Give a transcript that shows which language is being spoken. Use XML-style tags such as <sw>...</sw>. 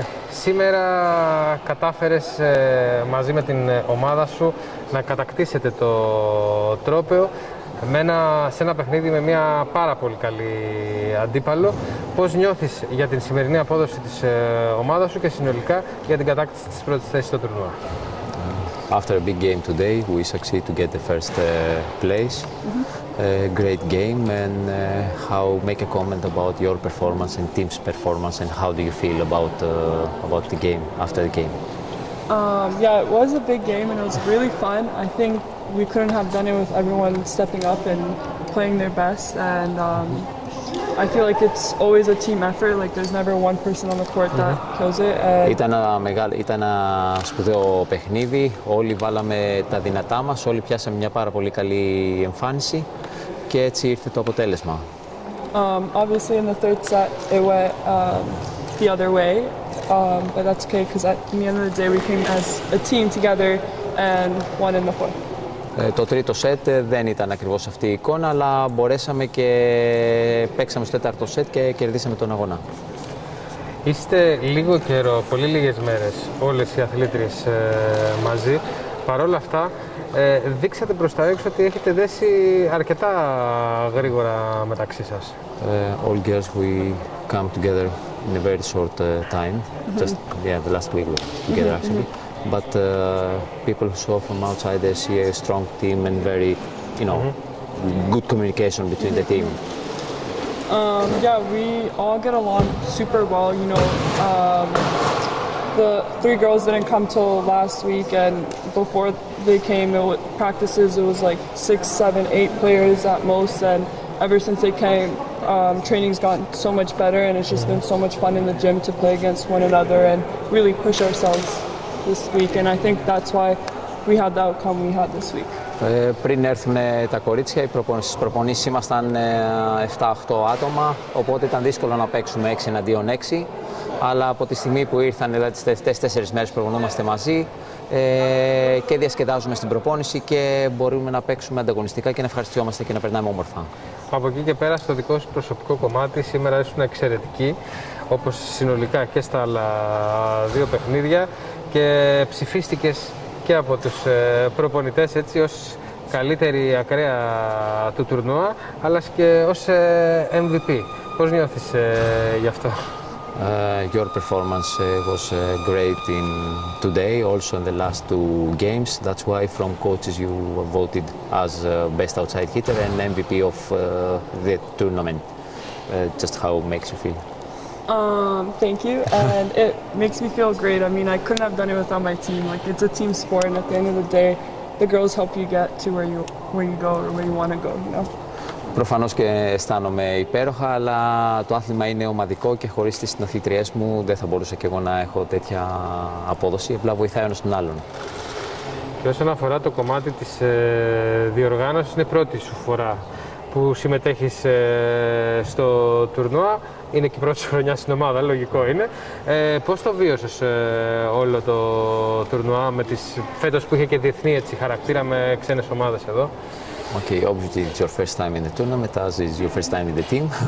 <el>Σήμερα κατάφερες μαζί με την ομάδα σου να κατακτήσετε το τρόπαιο σε ένα παιχνίδι με μια πάρα πολύ καλή αντίπαλο. Πώς νιώθεις για την σημερινή απόδοση της ομάδας σου και συνολικά για την κατάκτηση της πρώτης θέσης στο τουρνουά?</el> <en>After a big game today, we succeed to get the first place. Great game, and how make a comment about your performance and team's performance, and how do you feel about the game after the game? Yeah, it was a big game and it was really fun. I think we couldn't have done it with everyone stepping up and playing their best. And I feel like it's always a team effort. Like there's never one person on the court that kills it.</en> <el>Ήταν ένα σπουδαίο παιχνίδι. Όλοι βάλαμε τα δυνατά μας. Όλοι πιάσαμε μια πάρα πολύ καλή εμφάνιση. Και έτσι ήρθε το αποτέλεσμα.</el> <en>Obviously, in the third set, it went the other way. But that's okay, because at the end of the day, we came as a team together and won in the fourth.</en> <el>Το τρίτο σετ δεν ήταν ακριβώς αυτή η εικόνα, αλλά μπορέσαμε και παίξαμε στο τέταρτο σετ και κερδίσαμε τον αγώνα. Είστε λίγο καιρό, πολύ λίγες μέρες, όλες οι αθλήτριες μαζί. Παρόλα αυτά, δείξατε προς τα έξω ότι έχετε δέσει αρκετά γρήγορα μεταξύ σας.</el> <en>All girls, we come together in a very short time. Just the last week we were together actually. But people who saw from outside, they see a strong team and very, you know, good communication between the team. Yeah, we all get along super well. You know, the three girls didn't come till last week, and before they came, it was like 6, 7, 8 players at most. And ever since they came, training's gotten so much better, and it's just been so much fun in the gym to play against one another and really push ourselves this week, and I think that's why we had the outcome we had this week.</en> <el>Πριν έρθουν τα κορίτσια, στις προπονήσεις ήμασταν 7-8 άτομα, οπότε ήταν δύσκολο να παίξουμε 6-6, αλλά από τη στιγμή που ήρθαν, δηλαδή τις τελευταίες 4 μέρες που προπονούμαστε μαζί και διασκεδάζουμε στην προπόνηση και μπορούμε να παίξουμε ανταγωνιστικά και να ευχαριστιόμαστε και να περνάμε όμορφα. Από εκεί και πέρα, στο δικό σου προσωπικό κομμάτι, σήμερα ήσουν εξαιρετική, όπως συνολικά και στα άλλα δύο παιχνίδια, και ψηφίστηκες και από τους προπονητές έτσι ως καλύτερη ακραία του τουρνουά, αλλά και ως MVP. Πώς νιώθεις γι' αυτό?</el> <en>Your performance was great in today, also in the last two games. That's why from coaches you were voted as best outside hitter and MVP of the tournament. Just how it makes you feel? Thank you, and it makes me feel great. I mean, I couldn't have done it without my team. Like, it's a team sport, and at the end of the day, the girls help you get to where you go or where you want to go, you know.</en> <el>Προφανώς και αισθάνομαι υπέροχα, αλλά το άθλημα είναι ομαδικό και χωρίς τις συναθλητριές μου δεν θα μπορούσα και εγώ να έχω τέτοια απόδοση. Απλά βοηθάει ένας τον άλλον. Και όσον αφορά το κομμάτι της διοργάνωσης, είναι πρώτη σου φορά που συμμετέχεις στο τουρνουά. Είναι και η πρώτη χρονιά στην ομάδα, λογικό είναι. Πώς το βίωσες όλο το τουρνουά με τις φέτος που είχε και διεθνή έτσι, χαρακτήρα με ξένες ομάδες εδώ?</el> <en>Okay, obviously it's your first time in the tournament, as is your first time in the team.</en>